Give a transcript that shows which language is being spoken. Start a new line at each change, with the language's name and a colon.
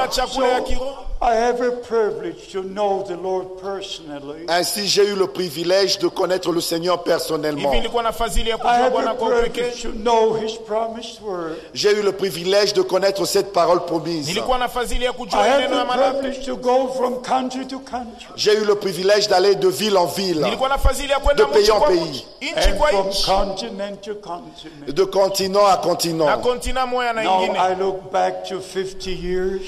English: So, I have a privilege to know the Lord personally.
French: Ainsi, j'ai eu le privilège de connaître le Seigneur personnellement.
English: I have a privilege to know His promised word.
French: J'ai eu le privilège de connaître cette parole promise.
English: I have a privilege to go from country to country.
French: J'ai eu le privilège d'aller de ville en ville, de pays en pays,
English: and from continent to continent.
French: De continent à continent.
English: Now I look back to 50 years.